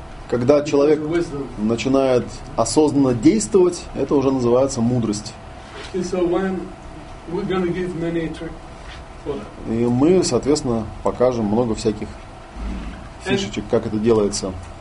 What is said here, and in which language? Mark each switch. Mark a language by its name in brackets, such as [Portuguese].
[Russian] Когда человек начинает осознанно действовать, это уже называется мудрость. [English] Okay, so when we're gonna give many tricks for that. [Russian] И мы, соответственно, покажем много всяких фишечек, как это делается.